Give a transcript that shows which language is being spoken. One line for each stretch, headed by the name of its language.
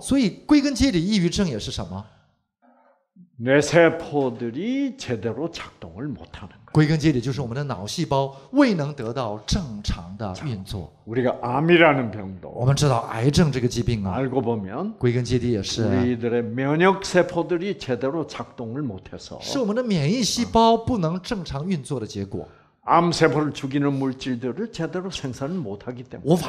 Chinese: 所以归根结底抑郁症也是什么？
Korean: 뇌 세포들이 제대로 작동을 못하는 거예요.
Chinese: 归根结底就是我们的脑细胞未能得到正常的运作。
Korean: 우리가 암이라는 병도，
Chinese: 我们知道癌症这个疾病，
Korean: 알고 보면，
Chinese: 归根结底也是，
Korean: 우리들의 면역 세포들이 제대로 작동을 못해서，
Chinese: 是我们的免疫细胞不能正常运作的结果。
Korean: 암 세포를 죽이는 물질들을 제대로 생산을 못하기 때문에，